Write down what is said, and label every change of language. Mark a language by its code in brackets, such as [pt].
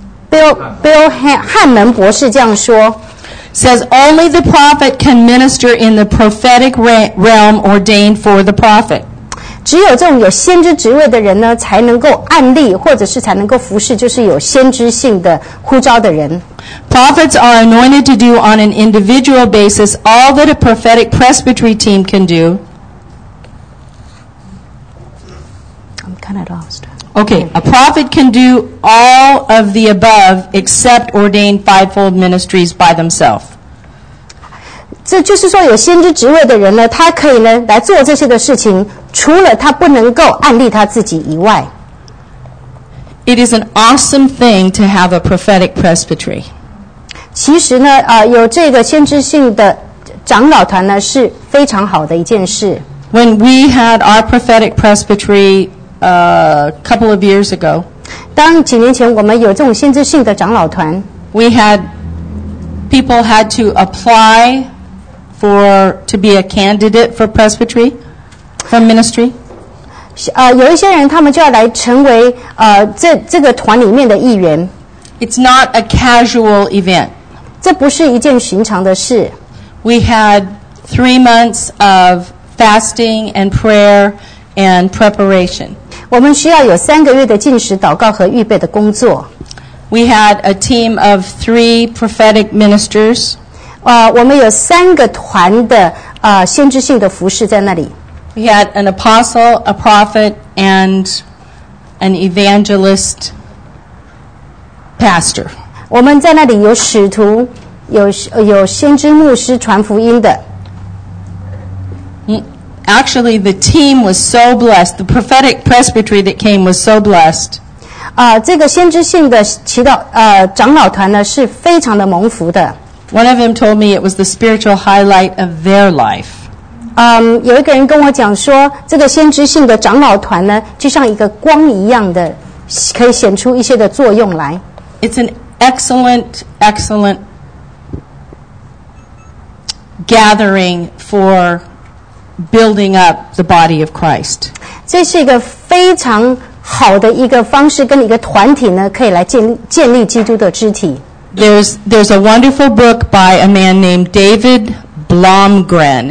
[zh] Bill Hammond 博士这样说 [en] says only the prophet can minister in the prophetic realm ordained for the prophet. [zh] 只有这种有先知职位的人呢，才能够按立，或者是才能够服侍，就是有先知性的呼召的人。 [en] Prophets are anointed to do on an individual basis all that a prophetic presbytery team can do. I'm kind of lost. Okay, a prophet can do all of the above except ordain fivefold ministries by themselves. [zh] 这就是说有先知职位的人呢，他可以呢来做这些的事情，除了他不能够按立他自己以外。 [en] It is an awesome thing to have a prophetic presbytery. [zh] 其实呢，有这个先知性的长老团呢，是非常好的一件事。 [en] When we had our prophetic presbytery a couple of years ago, [zh] 当几年前我们有这种先知性的长老团， [en] we had people had to apply to be a candidate for presbytery, for ministry. [zh] 有一些人他们就要来成为这个团里面的一员。 [en] It's not a casual event. [zh] 这不是一件寻常的事。 [en] We had 3 months of fasting and prayer and preparation. [zh] 我们需要有3个月的禁食、祷告和预备的工作。 [en] We had a team of 3 prophetic ministers. [zh] 我们有3个团的先知性的服事在那里。 [en] We had an apostle, a prophet, and an evangelist pastor. [zh] 我们在那里有使徒，有先知牧师传福音的。 [en] Actually, the team was so blessed. The prophetic presbytery that came was so blessed. [zh] 这个先知性的祈祷长老团呢是非常的蒙福的。 [en] One of them told me it was the spiritual highlight of their life. [zh] 有一个人跟我讲说，这个先知性的长老团呢，就像一个光一样的，可以显出一些的作用来。 [en] It's an excellent, excellent gathering for building up the body of Christ. [zh] 这是一个非常好的一个方式，跟一个团体呢，可以来建立基督的肢体。 [en] There's a wonderful book by a man named David Blomgren.